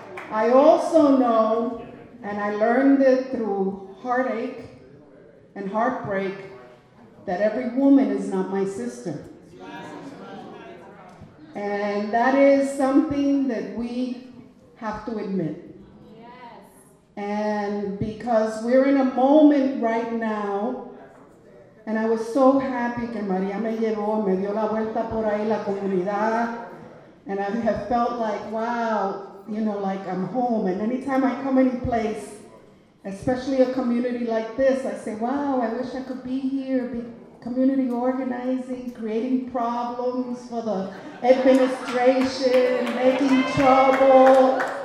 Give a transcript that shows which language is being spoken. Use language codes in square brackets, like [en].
[en] I also know, and I learned it through heartache and heartbreak, that every woman is not my sister. And that is something that we have to admit. And because we're in a moment right now. And I was so happy [es] que María me llevó, me dio la vuelta por ahí la comunidad. [en] And I have felt like, wow, you know, like I'm home. And anytime I come any place, especially a community like this, I say, wow, I wish I could be here, be community organizing, creating problems for the administration, making trouble.